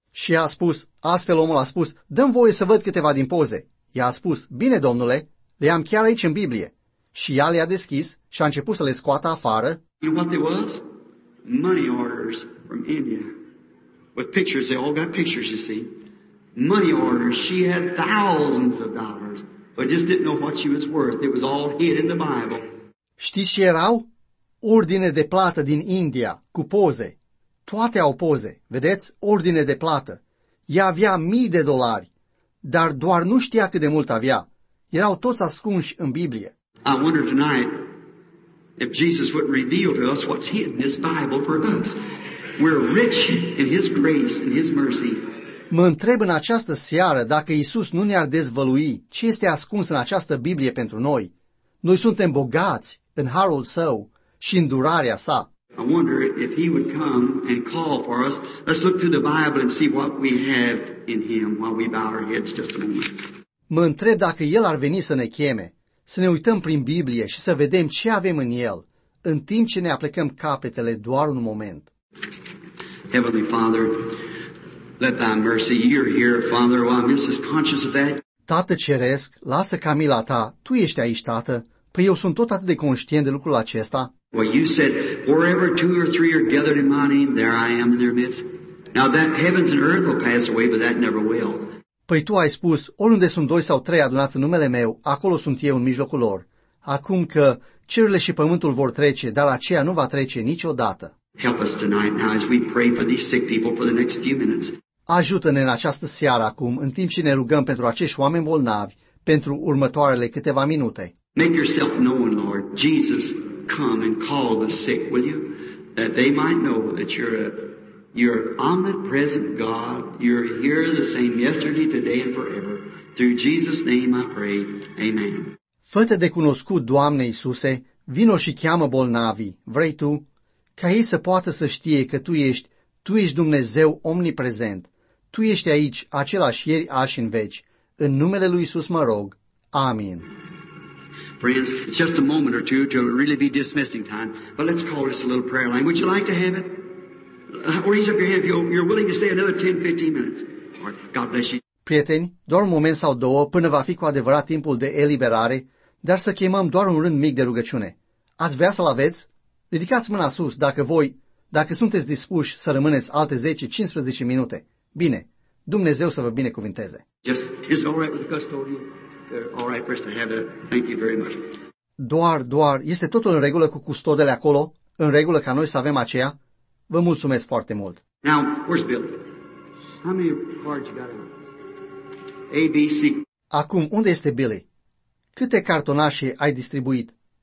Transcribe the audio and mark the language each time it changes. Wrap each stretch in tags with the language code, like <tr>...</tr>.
<ro>Și a spus, astfel omul a spus, dă-mi voie să văd câteva din poze. Ea a spus, bine, domnule, le am chiar aici în Biblie. Și ea le-a deschis și a început să le scoată afară.</ro> <en>You know what they was? Money orders from India. With pictures, they all got pictures, you see. Money orders, she had thousands of dollars, but just didn't know what she was worth. It was all hid in the Bible.</en> <ro>Știți ce erau? Ordine de plată din India, cu poze. Toate au poze, vedeți? Ordine de plată. Ea avea mii de dolari, dar doar nu știa cât de mult avea. Erau toți ascunși în Biblie.</ro> <en>I wonder tonight if Jesus wouldn't reveal to us what's hidden in this Bible for us. We're rich in his grace and his mercy.</en> <ro>Mă întreb în această seară dacă Iisus nu ne-ar dezvălui ce este ascuns în această Biblie pentru noi. Noi suntem bogați în harul său și în durarea sa.</ro> <en>I wonder if he would come and call for us. Let's look through the Bible and see what we have in him while we bow our heads just a moment.</en> <ro>Mă întreb dacă el ar veni să ne cheme, să ne uităm prin Biblie și să vedem ce avem în el, în timp ce ne aplecăm capetele doar un moment.</ro> <en>Heavenly Father, let thy mercy, you're here, Father, while I'm just conscious of that.</en> <ro>Tată ceresc, lasă camila ta, tu ești aici, Tată, păi eu sunt tot atât de conștient de lucrul acesta.</ro> <en>Well, you said, wherever two or three are gathered in my name, there I am in their midst. Now that heavens and earth will pass away, but that never will.</en> <ro>Păi tu ai spus, oriunde sunt doi sau trei adunați în numele meu, acolo sunt eu în mijlocul lor. Acum că cerurile și pământul vor trece, dar aceea nu va trece niciodată.</ro> <en>Help us tonight now as we pray for these sick people for the next few minutes.</en> <ro>Ajută-ne în această seară acum, în timp ce ne rugăm pentru acești oameni bolnavi, pentru următoarele câteva minute.</ro> <en>Make yourself known, Lord. Jesus, come and call the sick, will you? That they might know that you're omnipresent God, you're here the same yesterday, today and forever. Through Jesus' name I pray. Amen.</en> <ro>Fă-te de cunoscut, Doamne Iisuse, vino și cheamă bolnavii, vrei tu? Ca ei să poată să știe că tu ești Dumnezeu omniprezent. Tu ești aici, același ieri, azi și în veci. În numele lui Iisus mă rog. Amin.</ro> <en>Friends, it's just a moment or two till it really be dismissing time, but let's call this a little prayer line. Would you like to have it? Raise up your hand if you're willing to stay another 10-15 minutes. God bless you.</en> <ro>Prieteni, doar un moment sau două până va fi cu adevărat timpul de eliberare, dar să chemăm doar un rând mic de rugăciune. Ați vrea să-l aveți? Ridicați mâna sus dacă sunteți dispuși să rămâneți alte 10-15 minute. Bine, Dumnezeu să vă binecuvinteze.</ro> <en>Just, is it all right with the custodian? All right, first I have it. Thank you very much.</en> <ro>Doar, este totul în regulă cu custodele acolo? În regulă ca noi să avem aceea? Vă mulțumesc foarte mult.</ro> <en>Now, where's Bill? How many cards you got? A, B, C.</en> <ro>Acum, unde este Billy? Câte cartonașe ai distribuit?</ro>